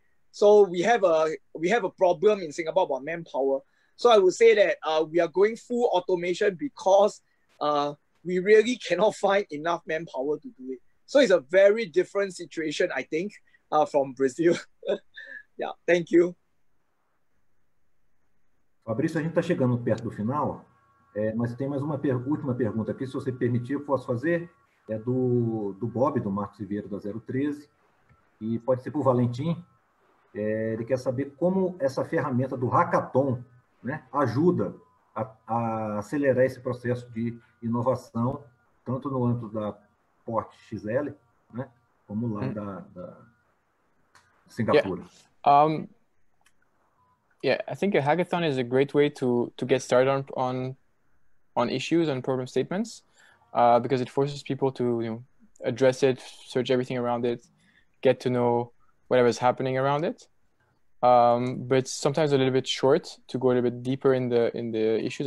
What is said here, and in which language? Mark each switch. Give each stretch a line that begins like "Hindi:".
English: So we have a problem in Singapore about manpower. So I would say that we are going full automation because we really cannot find enough manpower to do it. So it's a very different situation, I think, from Brazil. Yeah, thank you.
Portuguese: Fabrício, a gente está chegando perto do final, mas tem mais uma última pergunta aqui, se você permitir, eu posso fazer. É do Bob, do Marcos Ribeiro, da 013, e pode ser para o Valentim. Ele quer saber como essa ferramenta do Hackathon, né, ajuda a acelerar esse processo de inovação, tanto no âmbito da Port XL, né, como lá da Singapura.
English: Yeah. I think a hackathon is a great way to get started on issues and problem statements, because it forces people to, you know, address it, search everything around it, get to know whatever's happening around it. But it's sometimes a little bit short to go a little bit deeper in the issues.